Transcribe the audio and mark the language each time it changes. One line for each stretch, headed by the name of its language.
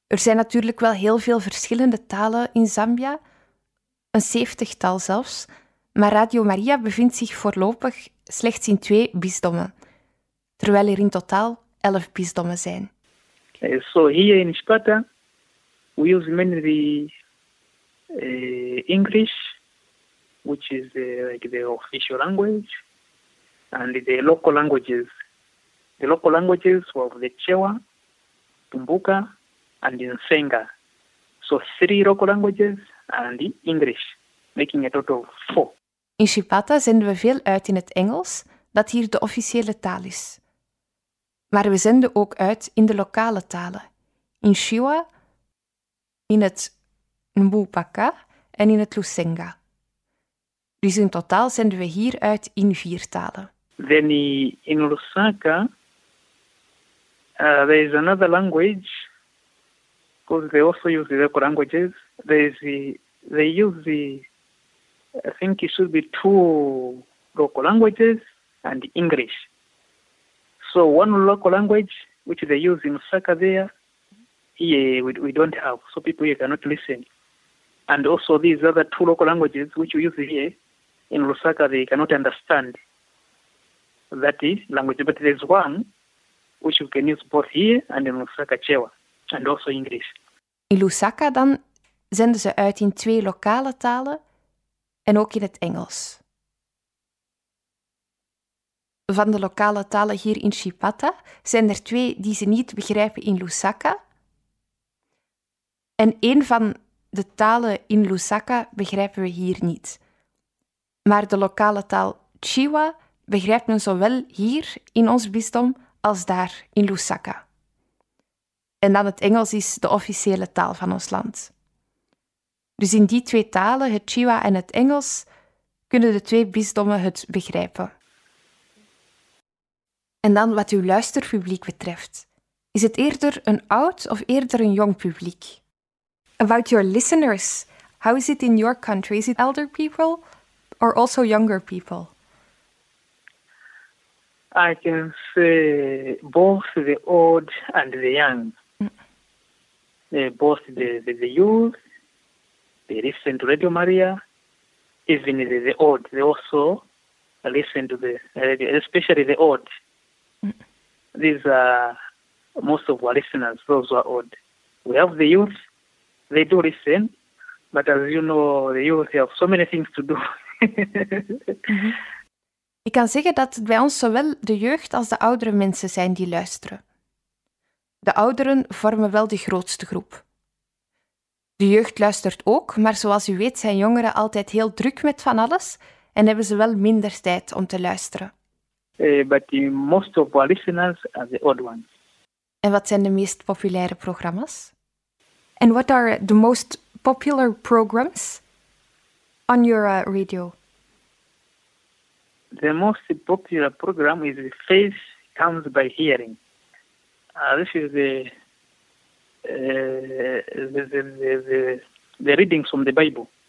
Dutch: Er zijn natuurlijk wel heel veel verschillende talen in Zambia, een 70-tal zelfs, maar Radio Maria bevindt zich voorlopig slechts in 2 bisdommen, terwijl er in totaal 11 bisdommen zijn.
English: So here in Chipata, we use mainly English, which is like the official language, and the local languages. The local languages were the Chewa, Tumbuka, and Nsenga. So 3 local languages and English, making a total of 4.
Dutch: In Chipata zenden we veel uit in het Engels, dat hier de officiële taal is. Maar we zenden ook uit in de lokale talen. In Chewa, in het Mbupaka en in het Lusenga. Dus in totaal zenden we hier uit in 4 talen.
English: Then in Lusaka, there is another language because they also use the local languages. I think it should be two local languages and English. So one local language, which they use in Saka there, we don't have, so people here cannot listen. And also these other two local languages, which we use here in Lusaka, they cannot understand that language. But there's one which we can use both here and in Lusaka, Chewa, and also English.
Dutch: In Lusaka, dan, zenden ze uit in twee lokale talen en ook in het Engels. Van de lokale talen hier in Chipata zijn er twee die ze niet begrijpen in Lusaka. En één van de talen in Lusaka begrijpen we hier niet. Maar de lokale taal Chiwa begrijpt men zowel hier in ons bisdom als daar in Lusaka. En dan het Engels is de officiële taal van ons land. Dus in die twee talen, het Chiwa en het Engels, kunnen de twee bisdommen het begrijpen. En dan wat uw luisterpubliek betreft. Is het eerder een oud of eerder een jong publiek?
English: About your listeners, how is it in your country? Is it elder people or also younger people? I can say both the old and the young. Both the youth, they listen to Radio Maria, even the old, they also listen to the radio, especially the old. These are most of our listeners, those who are old. We have the youth. They do listen, but as you know, the youth have so many things to do.
Dutch: Ik kan zeggen dat het bij ons zowel de jeugd als de oudere mensen zijn die luisteren. De ouderen vormen wel de grootste groep. De jeugd luistert ook, maar zoals u weet zijn jongeren altijd heel druk met van alles en hebben ze wel minder tijd om te luisteren.
English: But most of our listeners are the old ones.
Dutch: En wat zijn de meest populaire programma's?
English: And what are the most popular programs on your radio? The most popular program is Faith Comes by Hearing. This is the readings from the Bible.